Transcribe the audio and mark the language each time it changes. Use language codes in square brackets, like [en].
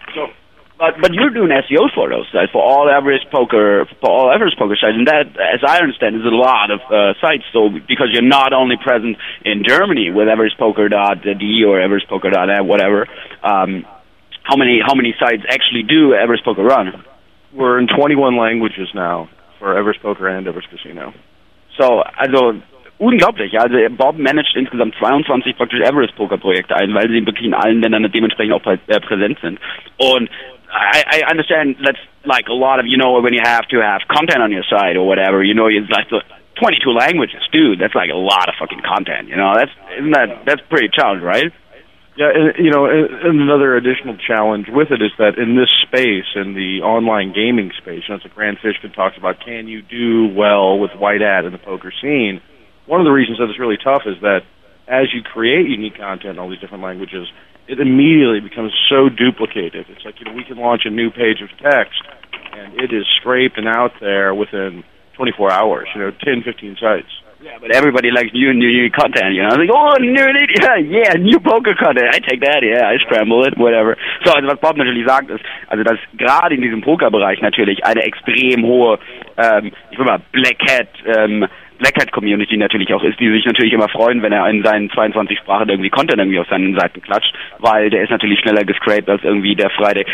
[en] So, but you're doing SEO for those, right? for all Everest Poker sites, and that, as I understand, is a lot of sites, so because you're not only present in Germany with EverestPoker.de or EverestPoker.net, whatever, how many sites actually do Everest Poker run? We're in 21 languages now for Everest Poker and Everest Casino. So, also... [de] Unglaublich, also Bob managt insgesamt 22 praktisch Everest-Poker-Projekte ein, weil sie wirklich in allen Ländern dementsprechend auch präsent sind. Und [en] I understand that's like a lot of, you know, when you have to have content on your site or whatever, you know, it's like 22 languages, dude. That's like a lot of fucking content. You know, that's pretty challenging, right? Yeah, and, you know, and another additional challenge with it is that in this space, in the online gaming space, you know, it's a Grand Fishkin talks about, can you do well with white ad in the poker scene? One of the reasons that it's really tough is that as you create unique content in all these different languages, it immediately becomes so duplicative. It's like, you know, we can launch a new page of text, and it is scraped and out there within 24 hours, you know, 10, 15 sites. Yeah, but everybody likes new content, you know. Like, oh, new poker content. I take that, yeah, I scramble it, whatever. [de] So, also, was Bob natürlich sagt, ist, also, dass gerade in diesem Pokerbereich natürlich eine extrem hohe, ich will mal, Black Hat Community natürlich auch ist, die sich natürlich immer freuen, wenn er in seinen 22 Sprachen irgendwie Content irgendwie auf seinen Seiten klatscht, weil der ist natürlich schneller gescraped als irgendwie der Friday.